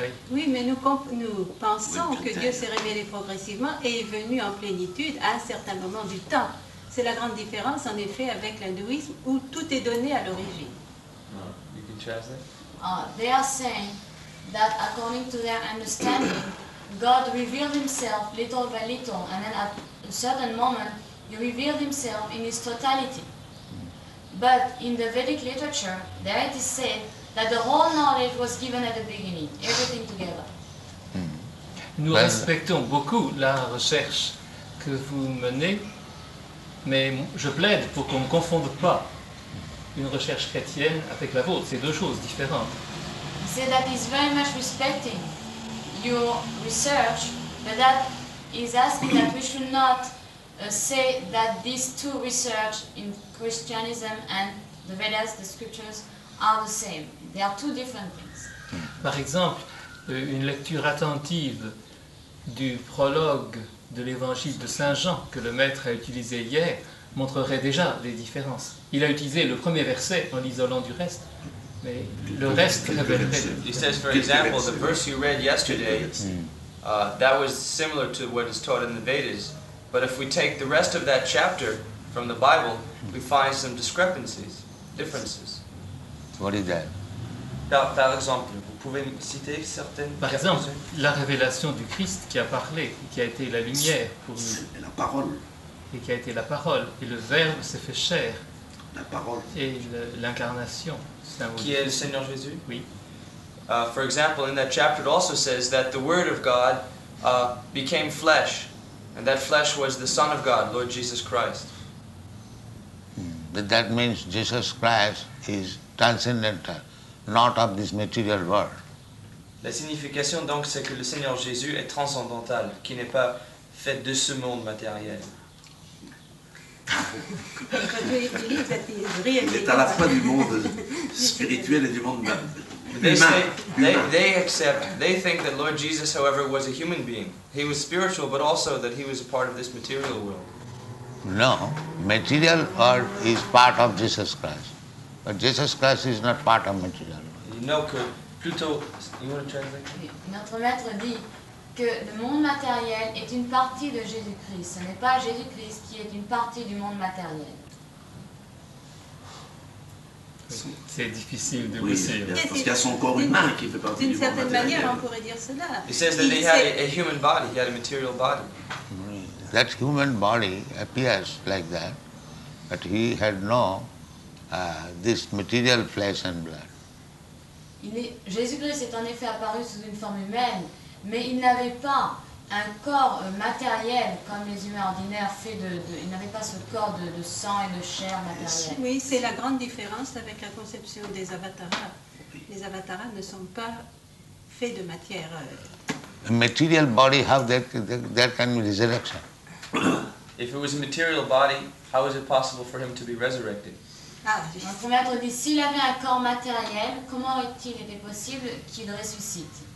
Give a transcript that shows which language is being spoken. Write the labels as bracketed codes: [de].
[fr] Oui, mais nous pensons que Dieu s'est révélé progressivement et est venu en plénitude à un certain moment du temps. C'est la grande différence, en effet, avec l'hindouisme où tout est donné à l'origine. [en] They are saying that according to their understanding, God revealed himself little by little, and then at a certain moment, he revealed himself in his totality. But in the Vedic literature, there it is said that the whole knowledge was given at the beginning, everything together. [fr] Nous respectons beaucoup la recherche que vous menez, mais je plaide pour qu'on ne confonde pas une recherche chrétienne avec la vôtre. C'est deux choses différentes. [en] He said that he's very much respecting your research, but that is asking that we should not say that these two research in Christianism and the Vedas, the scriptures, are the same. They are two different things. [fr] Par exemple, une lecture attentive du prologue de l'évangile de Saint Jean que le maître a utilisé hier montrerait déjà les différences. Il a utilisé le premier verset en l'isolant du reste, mais le reste révèlerait. [en] He says, for example, the verse you read yesterday, that was similar to what is taught in the Vedas, but if we take the rest of that chapter from the Bible, we find some discrepancies, differences. What is that? [fr] Par exemple, vous pouvez citer certaines. Par exemple, la révélation du Christ qui a parlé, qui a été la lumière pour nous. C'est la parole. Et qui a été la parole, et le Verbe s'est fait chair. La parole. Et l'incarnation. C'est un mot qui est le Seigneur Jésus. Oui. [en] For example, in that chapter, it also says that the Word of God became flesh, and that flesh was the Son of God, Lord Jesus Christ. But that means Jesus Christ is transcendental, not of this material world. [fr] La signification donc c'est que le Seigneur Jésus est transcendantal, qui n'est pas fait de ce monde matériel. Il est à la fois du monde spirituel et du monde humain. [en] They accept. They think that Lord Jesus, however, was a human being. He was spiritual, but also that he was a part of this material world. No, material world is part of Jesus Christ, but Jesus Christ is not part of material world. No, [fr] que plutôt. [en] You want to translate? [fr] Notre maître dit que le monde matériel est une partie de Jésus-Christ. Ce n'est pas Jésus-Christ qui est une partie du monde matériel. C'est difficile de vous dire. Parce qu'il y a son corps humain qui fait partie du monde matériel. D'une certaine manière, on pourrait dire cela. [en] He says that he had a human body, he had a material body. That human body appears like that, but he had no this material flesh and blood. [fr] Jésus-Christ est en effet apparu sous une forme humaine, mais il n'avait pas un corps matériel comme les humains ordinaires fait de il n'avait pas ce corps de sang et de chair matériel. Oui, c'est la grande différence avec la conception des avatars. Les avatars ne sont pas faits de matière. [en] A material body, how that can be resurrection? If it was a material body, how is it possible for him to be resurrected? [fr] Notre maître dit, s'il avait un corps matériel, comment est-il été possible qu'il ressuscite?